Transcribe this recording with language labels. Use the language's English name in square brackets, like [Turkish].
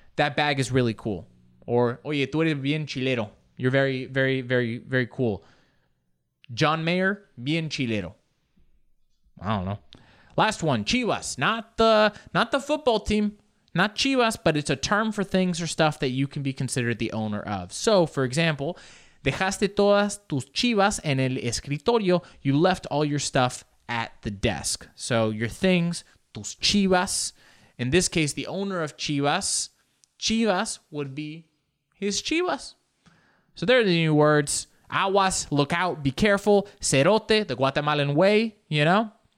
[English] That bag is really cool. Or, [Spanish] oye, tú eres bien chilero. [English] You're very, very, very, very cool. John Mayer, [Spanish] bien chilero. [English] I don't know. Last one, Chivas. Not the football team. Not Chivas, but it's a term for things or stuff that you can be considered the owner of. So, for example, [Spanish] dejaste todas tus Chivas en el escritorio. [English] You left all your stuff at the desk. So, your things, [Spanish] tus Chivas. [English] In this case, the owner of Chivas. Chivas would be his Chivas. So there are the new words. Aguas, look out, be careful. Cerote, the Guatemalan way, you know.